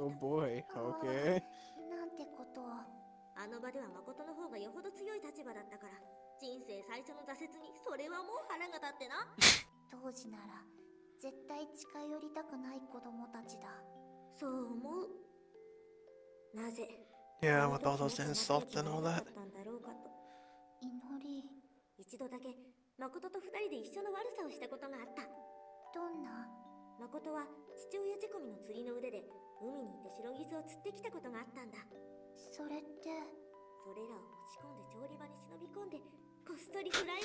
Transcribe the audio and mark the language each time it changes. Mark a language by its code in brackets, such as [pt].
[en] Oh boy, okay. [ja] なんてことを。あの場では誠の方がよほど強い立場だったから、人生最初の挫折にそれはもう腹が立ってな。当時なら絶対近寄りたくない子供たちだ。そう思う。なぜ。 [en] Yeah, with all those insults and all that. [ja] 祈り。一度だけ、誠と二人で一緒の悪さをしたことがあった。どんな。誠は父親仕込みの釣りの腕で海に行ってシロギスを釣ってきたことがあったんだ。それって。それらを持ち込んで調理場に忍び込んで、こっそりフライを